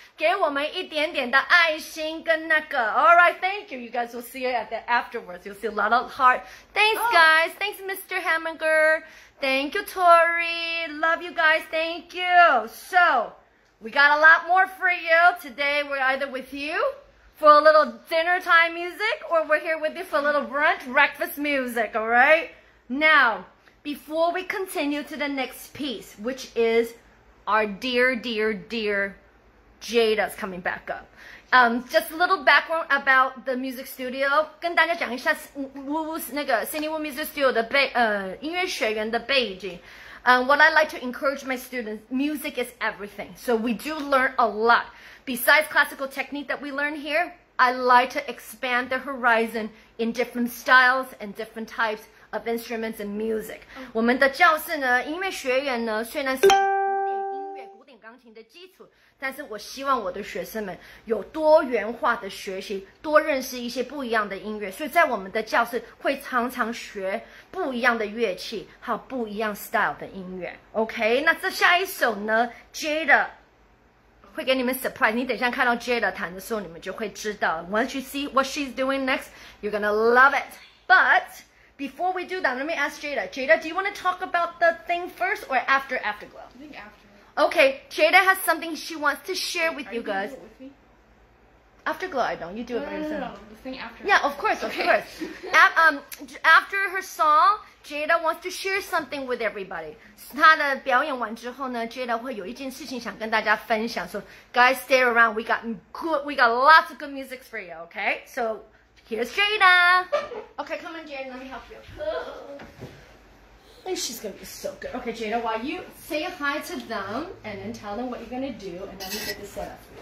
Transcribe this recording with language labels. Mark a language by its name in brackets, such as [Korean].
[Chinese] 给我们一点点的爱心跟那个。 [English] All right, thank you. You guys will see it at the afterwards. You'll see a lot of heart. Thanks, guys. Thanks, Mr. Hamminger. Thank you, Tori. Love you guys. Thank you. So, we got a lot more for you. Today, we're either with you. For a little dinner time music, or we're here with you for a little brunch breakfast music, all right? Now, before we continue to the next piece, which is our dear, dear, dear Jada's coming back up. Just a little background about the music studio. [Chinese] 跟大家讲一下 Wu's 那个 Sydney Wu Music Studio 的音乐学院的背景。 [English] What I like to encourage my students, music is everything. So we do learn a lot. Besides classical technique that we learn here, I like to expand the horizon in different styles and different types of instruments and music. [Chinese] 我们的教室呢，音乐学院呢，虽然是音乐、古典钢琴的基础，但是我希望我的学生们有多元化的学习，多认识一些不一样的音乐。所以在我们的教室会常常学不一样的乐器，还有不一样 style 的音乐。 OK， 那这下一首呢 ，Jada。会给你们 surprise， 你等一下看到 Jada 弹的时候，你们就会知道。 [English] Once you see what she's doing next, you're gonna love it. But before we do that, let me ask Jada. Jada, do you want to talk about the thing first or after Afterglow? I think after. Okay, Jada has something she wants to share with you guys. Are you doing it with me? Afterglow, I don't. You do it by yourself. No, the thing after. Yeah, of course, of course. After her song, Jada wants to share something with everybody. [Chinese] 她的表演完之后呢 ，Jada 会有一件事情想跟大家分享。 [English] So guys, stay around. We got lots of good music for you. Okay. So here's Jada. Okay, come on, Jada. Let me help you. And she's gonna be so good. Okay, Jada, while you say hi to them and then tell them what you're gonna do, and then we get this set up.